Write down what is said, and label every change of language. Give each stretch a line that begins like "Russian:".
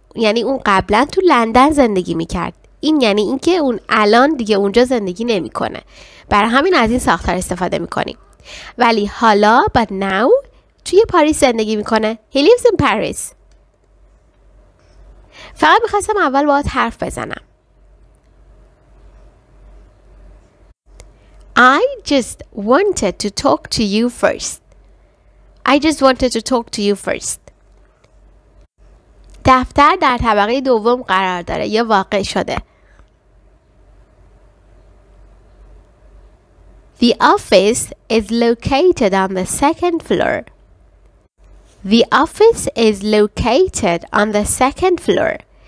Persian: یعنی اون قبلا تو لندن زندگی میکرد. این یعنی اینکه اون الان دیگه اونجا زندگی نمیکنه. برای همین از این ساختار استفاده میکنیم. ولی حالا
English: but now
Persian: توی پاریس زندگی میکنه.
English: He lives in Paris.
Persian: فقط میخواستم اول باهات حرف بزنم.
English: I just wanted to talk to you first. I just wanted to talk to you first.
Persian: دفتر در طبقه دوم قرار داره یا واقع شده.
English: The office is located on the second floor. The office is located on the second floor.